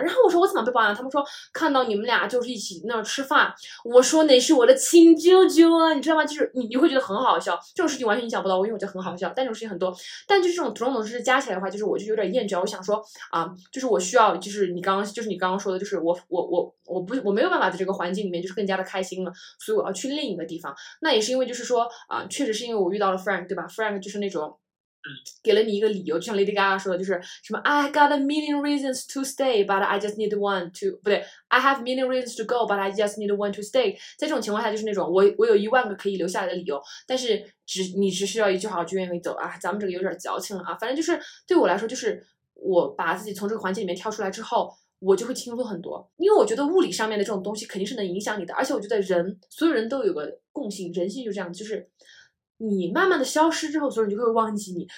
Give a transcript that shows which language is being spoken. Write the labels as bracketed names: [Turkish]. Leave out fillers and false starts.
[Chinese] 然后我说我怎么被包养，他们说看到你们俩就是一起那儿吃饭，我说哪是我的亲舅舅啊，你知道吗？就是你会觉得很好笑，这种事情完全你想不到，因为我觉得很好笑，但这种事情很多，但就是这种种种事加起来的话，就是我就有点厌倦，我想说啊，就是我需要就是你刚刚说的，就是我没有办法在这个环境里面就是更加的开心了，所以我要去另一个地方。那也是因为就是说啊，确实是因为我遇到了 Frank 对吧， Frank 就是那种给了你一个理由，就像 Lady Gaga 说的，就是什么 [English] I got a million reasons to stay but I just need one to [Chinese] 不对 [English] I have a million reasons to go but I just need one to stay。 [Chinese] 在这种情况下就是那种我有一万个可以留下来的理由，但是你只需要一句话我就愿意走啊。咱们这个有点矫情了啊，反正就是对我来说，就是我把自己从这个环境里面跳出来之后，我就会轻松很多。因为我觉得物理上面的这种东西肯定是能影响你的，而且我觉得人所有人都有个共性，人性就这样，就是你慢慢的消失之后，所有人就会忘记你。